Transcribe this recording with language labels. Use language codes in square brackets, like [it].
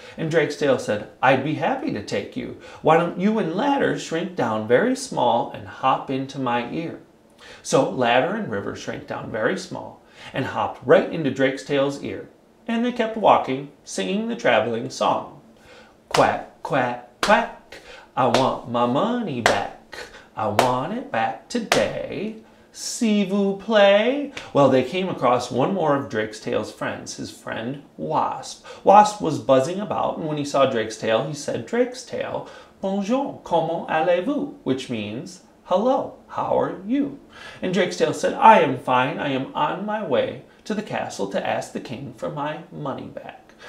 [en] And Drake's Tail said, I'd be happy to take you. Why don't you and Ladder shrink down very small and hop into my ear? So Ladder and River shrank down very small and hopped right into Drake's Tail's ear. And they kept walking, singing the traveling song. Quack, quack, quack, I want my money back. I want it back today, [fr] s'il vous plaît. [en] Well, they came across one more of Drake's Tail's friends, his friend Wasp. Wasp was buzzing about, and when he saw Drake's Tail, he said, Drake's Tail, [fr] bonjour, comment allez-vous? [en] Which means, hello, how are you? And Drake's Tail said, I am fine, I am on my way to the castle to ask the king for my money back.